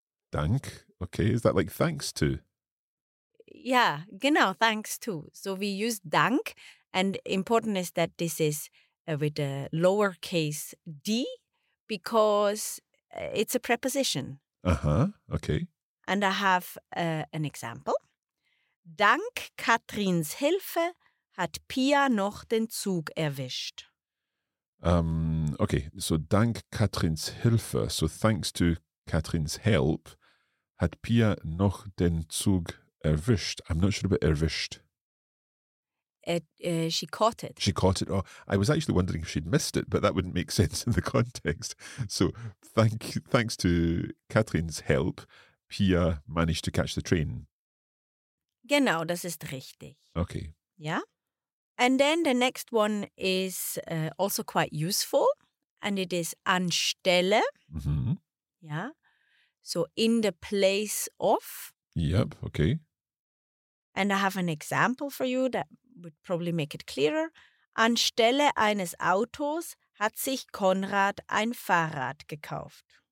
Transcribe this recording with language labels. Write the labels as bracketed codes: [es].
[en] Dank? Okay, is that like thanks to? Yeah, genau, thanks to. So we use Dank, and important is that this is with a lowercase d, because it's a preposition. Uh-huh, okay. And I have an example. [de] Dank Katrins Hilfe hat Pia noch den Zug erwischt. [en] Okay, so [de] dank Katrins Hilfe, [en] so thanks to Katrins help, [de] hat Pia noch den Zug erwischt. [en] I'm not sure about erwischt. She caught it. She caught it. Oh, I was actually wondering if she'd missed it, but that wouldn't make sense in the context. So thanks to Katrins help, Pia managed to catch the train. [de] Genau, das ist richtig. [en] Okay. Yeah? And then the next one is also quite useful, and it is anstelle. Mm-hmm. Yeah. So in the place of. Yep. Okay. And I have an example for you that would probably make it clearer. [de] Anstelle eines Autos hat sich Konrad ein Fahrrad gekauft.